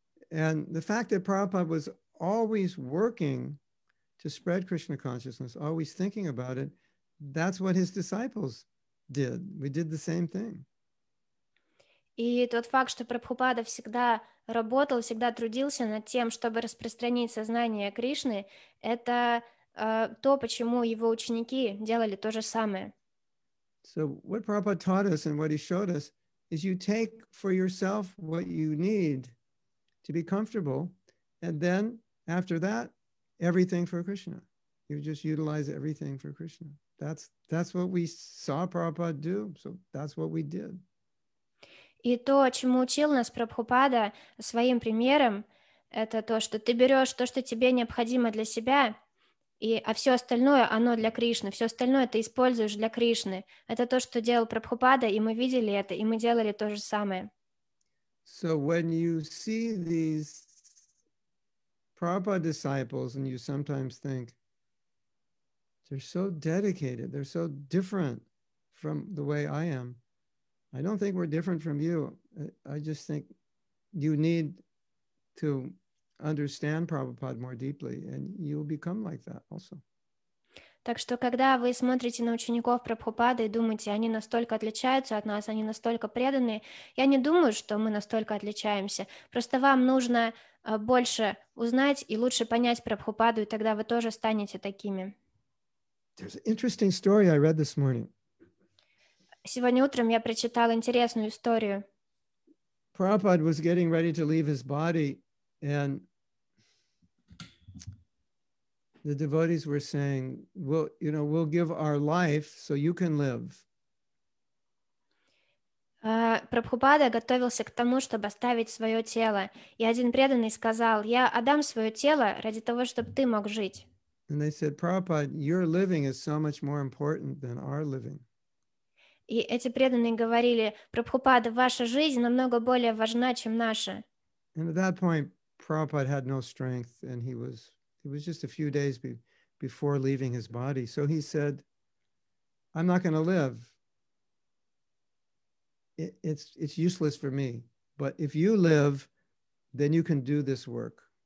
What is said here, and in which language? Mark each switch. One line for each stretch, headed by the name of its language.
English: And the fact that Prabhupada was always working to spread Krishna consciousness, always thinking about it, that's what his disciples did. We did the same thing.
Russian: И тот факт, что Прабхупада всегда работал, всегда трудился над тем, чтобы распространить сознание Кришны, это то, почему его ученики делали то же самое.
English: So what Prabhupada taught us and what he showed us is you take for yourself what you need to be comfortable, and then after that, everything for Krishna. You just utilize everything for Krishna. That's what we saw Prabhupada do, so that's what we did.
Russian: И то, чему учил нас Прабхупада своим примером, это то, что ты берешь то, что тебе необходимо для себя, и, а все остальное, оно для Кришны, все остальное ты используешь для Кришны. Это то, что делал Прабхупада, и мы видели это, и мы делали то же самое.
English: So when you see these Prabhupada disciples, and you sometimes think, they're so dedicated, they're so different from the way I am. I don't think we're different from you. I just think you need to understand Prabhupada more deeply, and you'll become like that also.
Russian: Так что, когда вы смотрите на учеников Прабхупады и думаете, они настолько отличаются от нас, они настолько преданные, я не думаю, что мы настолько отличаемся. Просто вам нужно больше узнать и лучше понять Прабхупаду, и тогда вы тоже станете такими.
English: There's an interesting story I read this morning.
Russian: Сегодня утром я прочитала интересную историю.
English: Prabhupada was getting ready to leave his body, and the devotees were saying, we'll give our life so you can live.
Russian: Прабхупада готовился к тому, чтобы оставить свое тело. И один преданный сказал, я отдам свое тело ради того, чтобы ты мог жить.
English: And they said, Prabhupada, your living is so much more important than our living.
Russian: И эти преданные говорили, Прабхупада, ваша жизнь намного более важна, чем наша.
English: And at that point, Prabhupada had no strength, and he was just a few days before leaving his body. So he said, I'm not going to live. It's useless for me. But if you live, then you can do this work.